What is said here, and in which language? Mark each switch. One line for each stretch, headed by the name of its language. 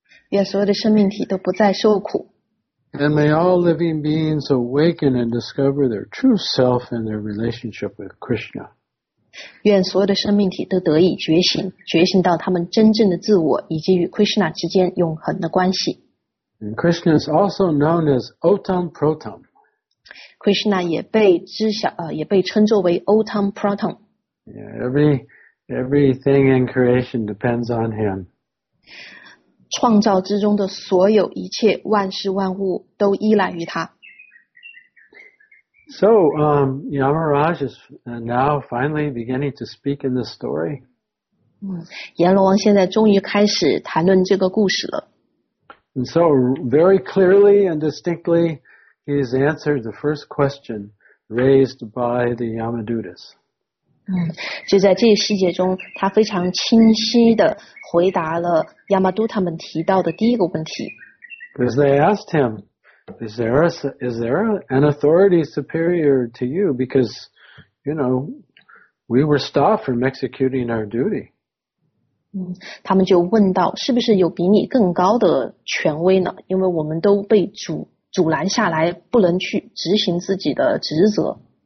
Chinese: 愿所有的生命体都不再受苦。
English: And may all living beings awaken and discover their true self and their relationship with Krishna.
Chinese: 愿所有的生命体都得以觉醒，觉醒到他们真正的自我以及与 Krishna 之间永恒的关系。
English: And Krishna is also known as Uttam Pratham.
Chinese: Krishna 也被知晓，也被称作为 Uttam Pratham.
English: Yeah, everything in creation depends on him.
Chinese: 创造之中的所有一切万事万物都依赖于他。
English: So, Yamaraj is now finally beginning to speak in this story.
Chinese: 阎罗王现在终于开始谈论这个故事了。
English: And so, very clearly and distinctly, he has answered the first question raised by the Yamadutas.
Chinese: 就在这个细节中，他非常清晰地回答了 Yamaduta 们提到的第一个问题。
English: Because they asked him, is there an authority superior to you? Because, you know, we were stopped from executing our duty.
Chinese: 他们就问到，是不是有比你更高的权威呢？因为我们都被阻拦下来，不能去执行自己的职责。